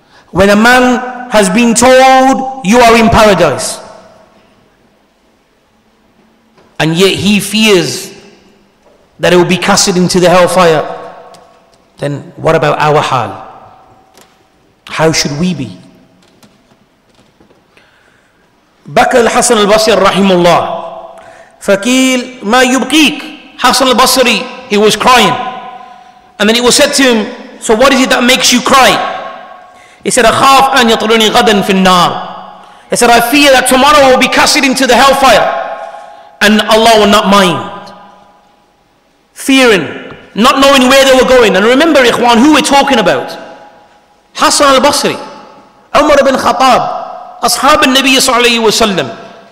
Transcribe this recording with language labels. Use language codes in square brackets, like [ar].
[en] When a man has been told, you are in paradise, and yet he fears that it will be casted into the hellfire, then what about our hal? How should we be? [ar] بكى الحسن البصري رحمه الله فكيل ما يبقيك. [en] Hassan al-Basri, he was crying. And then it was said to him, so what is it that makes you cry? He said, [ar] أخاف أن يطلني غدا في النار. [en] He said, I fear that tomorrow will be casted into the hellfire and Allah will not mind. Fearing, not knowing where they were going. And remember, Ikhwan, who we're talking about. Hassan al-Basri, Umar ibn Khattab, Ashab al-Nabi sallallahu alayhi wa sallam.